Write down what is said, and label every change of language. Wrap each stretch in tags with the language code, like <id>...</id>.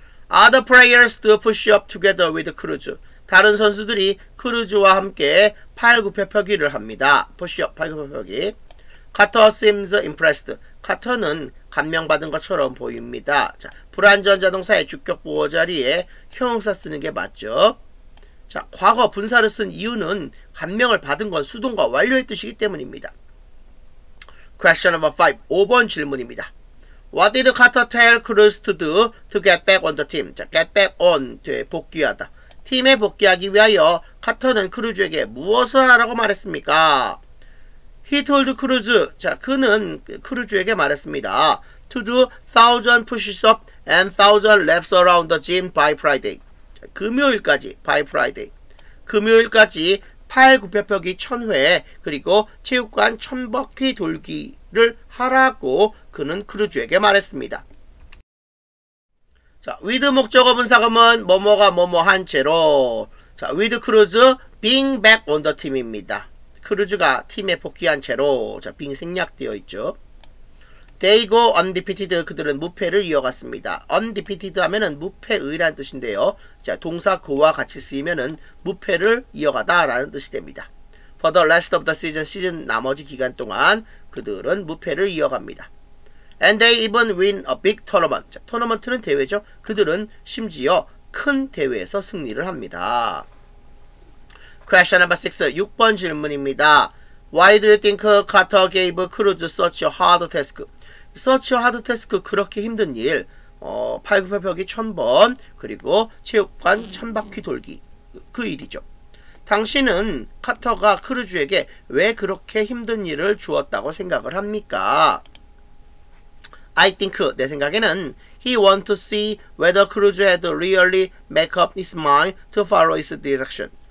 <en>Other players do push up together with Cruz.</en> <ko>다른 선수들이 크루즈와 함께 팔굽혀펴기를 합니다.</ko> <en>Push up, 팔굽혀펴기. Carter seems impressed.</en> <ko>Carter는 감명받은 것처럼 보입니다. 자, 불완전 자동사의 주격 보호 자리에 형용사 쓰는 게 맞죠. 자, 과거 분사를 쓴 이유는 감명을 받은 건 수동과 완료의 뜻이기 때문입니다.</ko> <en>Question number 5.</en> <ko>5번 질문입니다.</ko> <en>What did Carter tell Cruz to do to get back on the team?</en> <ko>자, get back on, 복귀하다. 팀에 복귀하기 위하여 카터는 크루즈에게 무엇을 하라고 말했습니까?</ko> <en>He told Cruz,</en> <ko>자, 그는 크루즈에게 말했습니다.</ko> <en>To do 1000 push-ups and 1000 laps around the gym by Friday.</en> <ko>자, 금요일까지,</ko> <en>by Friday.</en> <ko>금요일까지 팔 굽혀펴기 1000회, 그리고 체육관 1000바퀴 돌기를 하라고 그는 크루즈에게 말했습니다. 자, with 목적어 분사금은 뭐뭐가 뭐뭐 한 채로.</ko> <en>자, with Cruz being back on the team입니다.</en> <ko>크루즈가 팀에 복귀한 채로. 자, being 생략되어 있죠.</ko> <en>They go undefeated.</en> <ko>그들은 무패를 이어갔습니다. undefeated 하면은 무패의란 뜻인데요. 자, 동사 go와 같이 쓰이면은 무패를 이어가다 라는 뜻이 됩니다.</ko> <en>For the rest of the season,</en> <ko>시즌 나머지 기간 동안 그들은 무패를 이어갑니다.</ko> <en>And they even win a big tournament.</en> <ko>자, 토너먼트는 대회죠. 그들은 심지어 큰 대회에서 승리를 합니다.</ko> <en>Question number 6. 6번 질문입니다. Why do you think Carter gave Cruz such a hard task? Such a hard task,</en> <ko>그렇게 힘든 일. 팔굽혀펴기 1000번, 그리고 체육관 1000바퀴 돌기. 그 일이죠. 당신은 카터가 크루즈에게 왜 그렇게 힘든 일을 주었다고 생각을 합니까?</ko> <en>I think,</en> <ko>내 생각에는</ko> <en>He want to see whether Cruz had really make up his mind to follow his direction.</en>